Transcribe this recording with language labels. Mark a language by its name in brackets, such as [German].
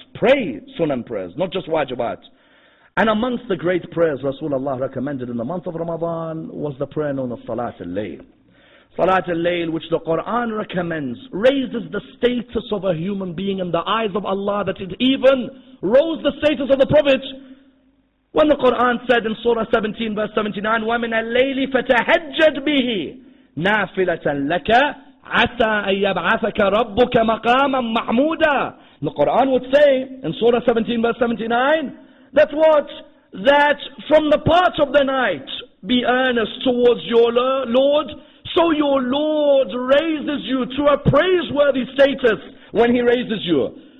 [English] Pray sunan prayers, not just wajibat. And amongst the great prayers Rasulullah recommended in the month of Ramadan was the prayer known as Salat al-Layl. Salat al-Layl, which the Quran recommends, raises the status of a human being in the eyes of Allah, that it even rose the status of the Prophet. When the Quran said in Surah 17, verse 79, [Arabic] وَمِنَ اللَّيْلِ فَتَهَجَّدْ بِهِ نَافِلَةً لَكَ عَسَىٰ أَن يَبْعَثَكَ رَبُّكَ مَقَامًا مَحْمُودًا. [English] The Quran would say in Surah 17, verse 79, that what? That from the part of the night, be earnest towards your Lord, so your Lord raises you to a praiseworthy status when He raises you.